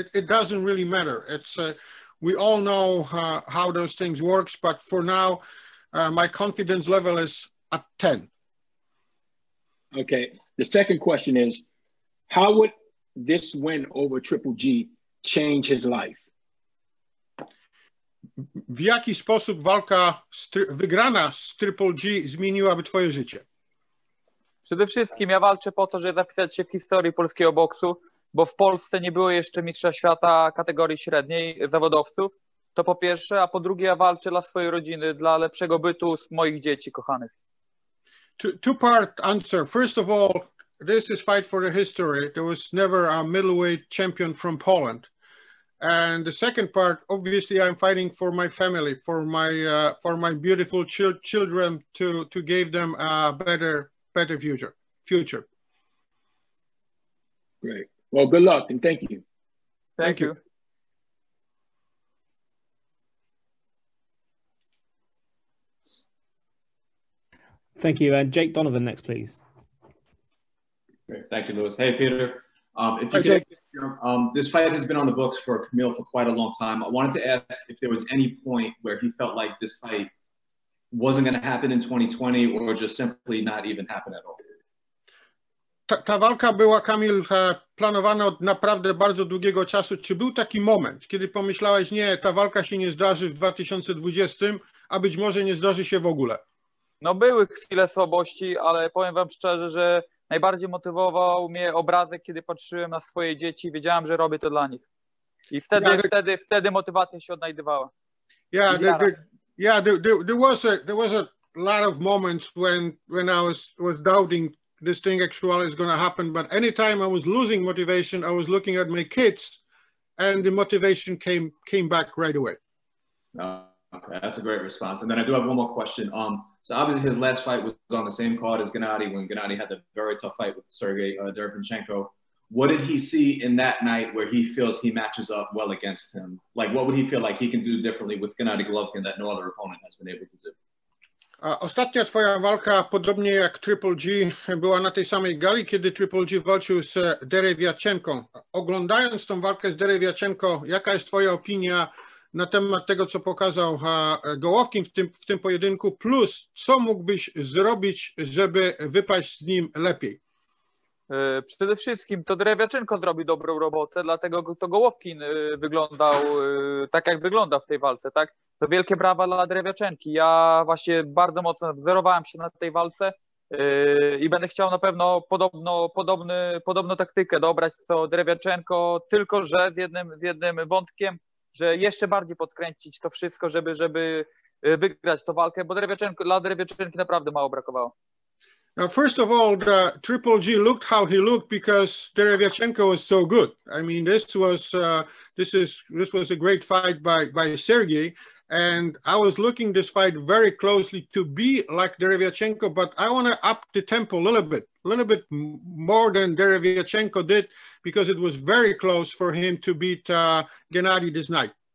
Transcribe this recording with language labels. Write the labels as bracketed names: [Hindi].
[English] It doesn't really matter. It's we all know how those things works. But for now, my confidence level is at 10. Okay. The second question is, how would this win over Triple G change his life? [Polish] W jaki sposób walka wygrana z Triple G zmieniłaby twoje życie? Przede wszystkim ja walczę po to, żeby zapisać się w historii polskiego boksu, bo w Polsce nie było jeszcze mistrza świata kategorii średniej zawodowców. To po pierwsze, a po drugie ja walczę dla swojej rodziny, dla lepszego bytu z moich dzieci kochanych. [English] Two-part answer. First of all, this is fight for the history. There was never a middleweight champion from Poland. And the second part, obviously, I'm fighting for my family, for my beautiful children, to give them a better future. Great. Well, good luck and thank you. Thank you. Thank you. And Jake Donovan next, please. Great. Thank you, Lewis. Hey, Peter. This fight has been on the books for Kamil for quite a long time. I wanted to ask if there was any point where he felt like this fight wasn't going to happen in 2020 or just simply not even happen at all. [Polish] Ta walka była, Kamil, planowana od naprawdę bardzo długiego czasu. Czy był taki moment, kiedy pomyślałeś, nie, ta walka się nie zdarzy w 2020, a być może nie zdarzy się w ogóle? No były chwile słabości, ale powiem wam szczerze, że najbardziej motywował mnie obrazek, kiedy patrzyłem na swoje dzieci, wiedziałem, że robię to dla nich. I wtedy motywacja się odnajdywała. [English] Yeah, there was a lot of moments when I was doubting this thing actually is going to happen, but anytime I was losing motivation, I was looking at my kids and the motivation came back right away. Okay, that's a great response. And then I do have one more question. So obviously his last fight was on the same card as Gennadiy when Gennadiy had the very tough fight with Sergey Derevyanchenko. What did he see in that night where he feels he matches up well against him? Like, what would he feel like he can do differently with Gennadiy Golovkin that no other opponent has been able to do? [Polish] Ostatnia twoja walka, podobnie jak Triple G, była na tej samej gali, kiedy Triple G walczył z Derevyanchenko. Oglądając tą walkę z Derevyanchenko, jaka jest twoja opinia na temat tego, co pokazał Golovkin w tym pojedynku, plus co mógłbyś zrobić, żeby wypaść z nim lepiej? Przede wszystkim to Derevyanchenko zrobi dobrą robotę, dlatego to Golovkin wyglądał tak, jak wygląda w tej walce. Tak? To wielkie brawa dla Derevyanchenki. Ja właśnie bardzo mocno wzorowałem się na tej walce i będę chciał na pewno podobną taktykę dobrać co Derevyanchenko, tylko że z jednym wątkiem, że jeszcze bardziej podkręcić to wszystko, żeby wygrać tę walkę, bo dla Derevyanchenki naprawdę mało brakowało. [English] Now, first of all, the Triple G looked how he looked because Derevyanchenko was so good. I mean, this was a great fight by Sergey, and I was looking this fight very closely to be like Derevyanchenko, but I want to up the tempo a little bit more than Derevyanchenko did, because it was very close for him to beat Gennadiy this night.